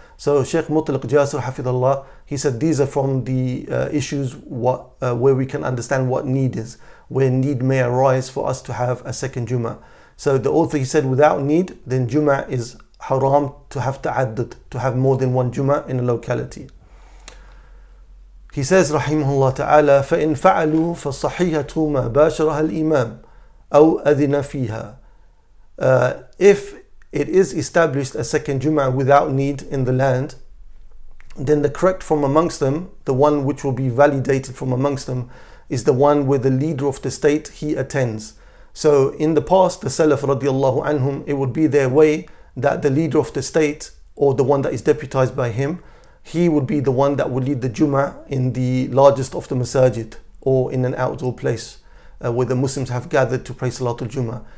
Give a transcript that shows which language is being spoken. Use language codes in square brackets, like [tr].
[en] So Sheikh Mutlaq Jasir Hafidhullah, he said these are from the issues where we can understand what need is, where need may arise for us to have a second Jummah. So the author, he said, without need, then Jummah is haram to have ta'addud, to have more than one Jummah in a locality. [ar] He says, Rahimahullah Ta'ala, فَإِنْ فَعَلُوا فَصَحِيحَةُ مَا بَاشَرَهَا الْإِمَامِ أَوْ أَذِنَ فِيهَا. [en] If it is established a second Jum'ah without need in the land, then the correct from amongst them, the one which will be validated from amongst them, is the one where the leader of the state, he attends. So in the past, the Salaf radiallahu anhum, it would be their way that the leader of the state, or the one that is deputized by him, he would be the one that would lead the Jum'ah in the largest of the masajid, or in an outdoor place where the Muslims have gathered to pray Salatul Jum'ah.